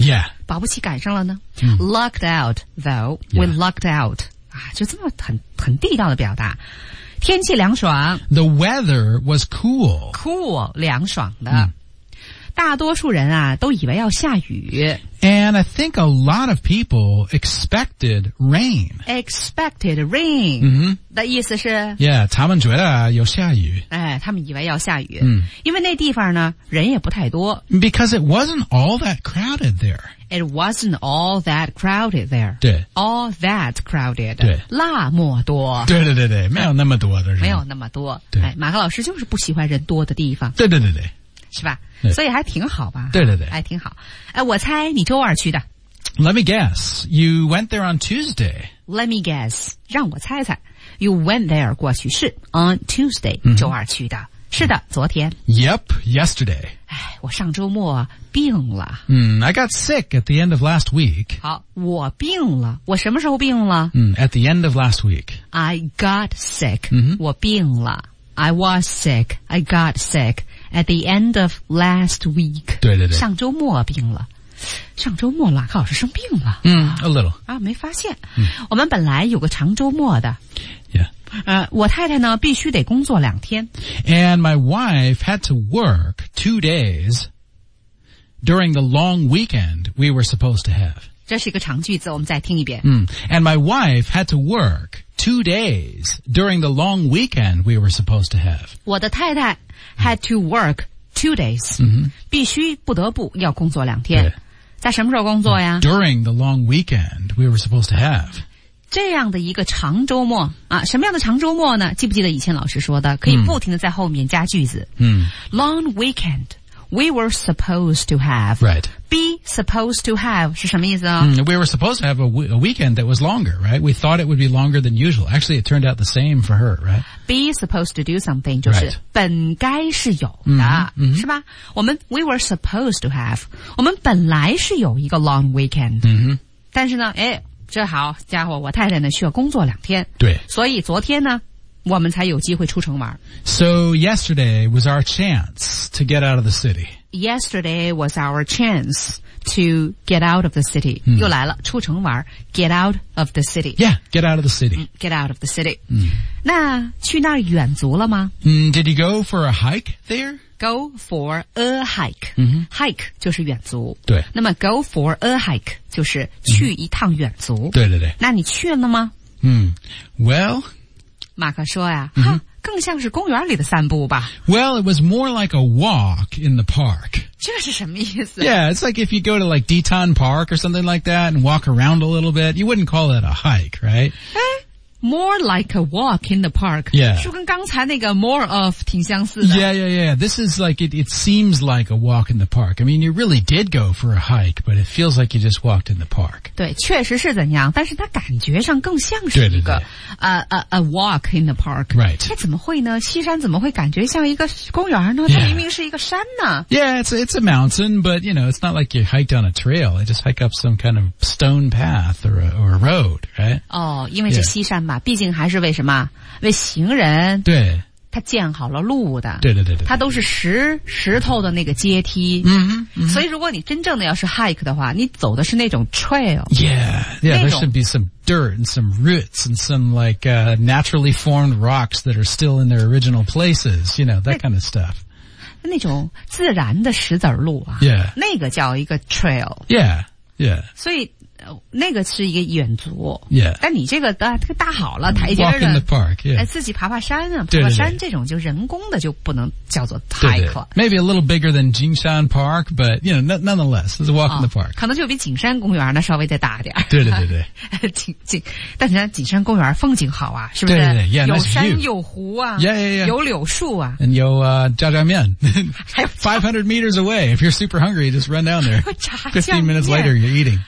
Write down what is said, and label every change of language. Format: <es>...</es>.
<en>Yeah.</en> <zh>保不齐赶上了呢。</zh> <en>Lucked out, though, we lucked out.、</en> <zh>就这么很地道的表达。天气凉爽。</zh> <en>The weather was cool.</en> <zh>Cool, 凉爽的。大多数人啊都以为要下雨。</zh> <en>And I think a lot of people expected rain. Expected rain.</en> <zh>的意思是 Yeah, 他们觉得有下雨。他们以为要下雨。因为那地方呢人也不太多。</zh> <en>Because it wasn't all that crowded there. It wasn't all that crowded there.</en> <zh>对。 All that crowded. 对。那么多。对。没有那么多的人。没有那么多。对。马克老师就是不喜欢人多的地方。对。是吧所以还挺好吧对还挺好我猜你周二去的</zh> <en>Let me guess You went there on Tuesday Let me guess</en> <zh>让我猜猜</zh> <en>You went there</en> <zh>过去式</zh> <en>On Tuesday</en> <zh>周二去的是的昨天</zh> <en>Yep, yesterday</en> <zh>我上周末病了</zh> <en>I got sick at the end of last week</en> <zh>好我病了我什么时候病了</zh> <en>At the end of last week I got sick 我病了 I was sick I got sick At the end of last week.</en> <zh>对。上周末病了。上周末马克老师生病了。</zh> <en>A little.</en> <zh>没发现。我们本来有个长周末的。</zh> <en>Yeah.</en> <zh>我太太呢必须得工作两天。</zh> <en>And my wife had to work 2 days during the long weekend we were supposed to have.</en> <zh>这是一个长句子我们再听一遍。</zh> <en>And my wife had to work 2 days during the long weekend we were supposed to have.</en> <zh>我的太太</zh> <en>Had to work 2 days.</en> <zh>必须不得不要工作两天。在什么时候工作呀</zh> <en>?During the long weekend we were supposed to have.</en> <zh>这样的一个长周末啊什么样的长周末呢记不记得以前老师说的可以不停地在后面加句子。</zh> <en>Long weekend we were supposed to have. Right. Be supposed to have</en> <zh>是什么意思啊、</zh> <en>We were supposed to have a weekend that was longer, right? We thought it would be longer than usual. Actually, it turned out the same for her, right? Be supposed to do something</en> <zh>就是本该是有的、是吧我们</zh> <en>we were supposed to have</en> <zh>我们本来是有一个</zh> <en>long weekend、</en> <zh>但是呢这好家伙我太太呢需要工作两天对所以昨天呢我们才有机会出城玩</zh> <en>So yesterday was our chance to get out of the city Yesterday was our chance to get out of the city、</en> <zh>又来了出城玩</zh> <en>get out of the city Yeah, get out of the city、 get out of the city、</en> <zh>那去那儿远足了吗、</zh> <en>Did you go for a hike there? Go for a hike、Hike</en> <zh>就是远足对那么</zh> <en>go for a hike</en> <zh>就是去一趟远足、对那你去了吗、</zh> <en>Well</en> <zh>马克说呀，哼，更像是公园里的散步吧。</zh> <en>Well, it was more like a walk in the park.</en> <zh>这是什么意思？</zh> <en>Yeah, it's like if you go to like Deton Park or something like that and walk around a little bit, you wouldn't call that a hike, right? More like a walk in the park. Yeah.</en> <zh>是跟刚才那个 more of 挺相似的。</zh> <en>Yeah, yeah, yeah. This is like, it seems like a walk in the park. I mean, you really did go for a hike, but it feels like you just walked in the park.</en> <zh>对，确实是怎样，但是它感觉上更像是一个</zh> <en>a walk in the park. Right.</en> <zh>它怎么会呢？西山怎么会感觉像一个公园呢？</zh> <en>Yeah.</en> <zh>它明明是一个山呢。</zh> <en>Yeah, it's a mountain, but you know, it's not like you hike down a trail. You just hike up some kind of stone path or a road, right?</en> <zh>哦、oh, ，因为是西山嘛。毕竟还是为什么为行人对他建好了路的对对对对他都是石头的那个阶梯嗯、mm-hmm, mm-hmm. 所以如果你真正的要是 hike 的话你走的是那种 trail</zh> <en>yeah yeah there should be some dirt and some roots and some like naturally formed rocks that are still in their original places you know that kind of stuff</en> <zh>那种自然的石子路啊</zh> <en>yeah</en> <zh>那个叫一个 trail</zh> <en>yeah yeah</en> <zh>所以那个是一个远足</zh> <en>yeah</en> <zh>但你这个搭好了台阶的</zh> <en>walk in the park、yeah.</en> <zh>自己爬爬山啊爬山这种就人工的就不能叫做 hike</zh> <en>对对 maybe a little bigger than Jingshan Park but you know nonetheless it's a walk、哦、 in the park</en> <zh>可能就比景山公园呢稍微再大点对对对对但是景山公园风景好啊是不是对对对 yeah, 有山有湖啊</zh> <en>yeah, yeah, yeah.</en> <zh>有柳树啊 and 有炸酱面</zh> <en>500 meters away if you're super hungry just run down there 15 minutes later you're eating</en>